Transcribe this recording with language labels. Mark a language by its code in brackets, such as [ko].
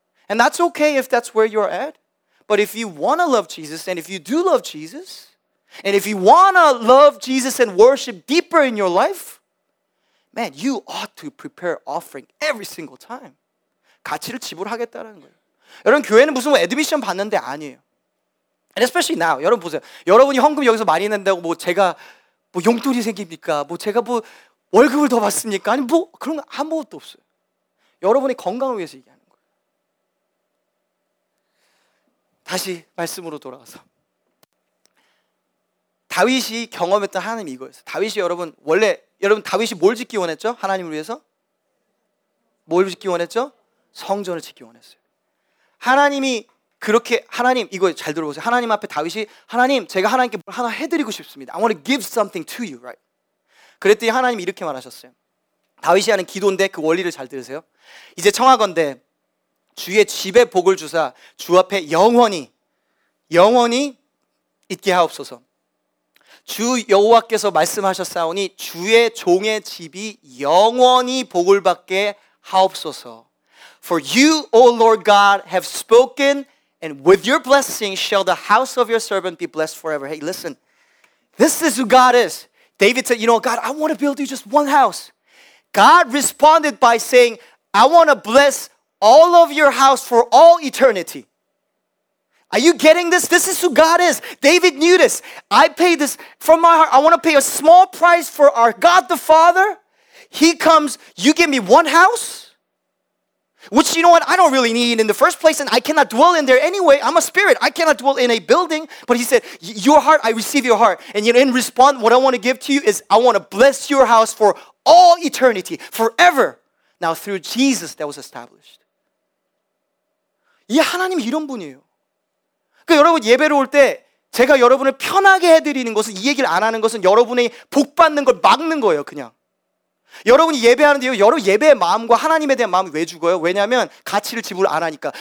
[en] And that's okay if that's where you're at. But if you want to love Jesus and if you do love Jesus and if you want to love Jesus and worship deeper in your life, man, you ought to prepare offering every single time. [ko] 가치를 지불하겠다라는 거예요. 여러분 교회는 무슨 애드미션 받는데 아니에요. [en] And especially now, [ko] 여러분 보세요. 여러분이 헌금 여기서 많이 낸다고 뭐 제가 뭐 용돈이 생깁니까? 뭐 제가 뭐 월급을 더 받습니까? 아니 뭐 그런 거 아무것도 없어요. 여러분의 건강을 위해서 얘기하는 거예요. 다시 말씀으로 돌아가서 다윗이 경험했던 하나님 이거였어요. 다윗이 여러분 원래 여러분 다윗이 뭘 짓기 원했죠? 하나님을 위해서 뭘 짓기 원했죠? 성전을 짓기 원했어요. 하나님이 그렇게 하나님 이거 잘 들어보세요. 하나님 앞에 다윗이 하나님 제가 하나님께 뭘 하나 해드리고 싶습니다. [en] I want to give something to you, right? [ko] 그랬더니 하나님이 이렇게 말하셨어요. 다윗이 하는 기도인데 그 원리를 잘 들으세요. 이제 청하건대 주의 집에 복을 주사 주 앞에 영원히 있게 하옵소서. 주 여호와께서 말씀하셨사오니 주의 종의 집이 영원히 복을 받게 하옵소서. [en] For you, O Lord God, have spoken, and with your blessing shall the house of your servant be blessed forever. Hey, listen, this is who God is. David said, you know, God, I want to build you just one house. God responded by saying, I want to bless all of your house for all eternity. Are you getting this? This is who God is. David knew this. I pay this from my heart. I want to pay a small price for our God the Father. He comes, you give me one house, which you know what? I don't really need in the first place, and I cannot dwell in there anyway. I'm a spirit. I cannot dwell in a building. But he said, your heart, I receive your heart. And you know, in response, what I want to give to you is I want to bless your house for all eternity, forever. Now, through Jesus, that was established. [ko] 이 하나님 이런 분이에요. 그러니까 여러분 예배를 올 때 제가 여러분을 편하게 해드리는 것은 이 얘기를 안 하는 것은 여러분의 복 받는 걸 막는 거예요, 그냥. 여러분이 예배하는데요. 여러분 예배의 마음과 하나님에 대한 마음이 왜 죽어요? 왜냐하면 가치를 지불 안 하니까.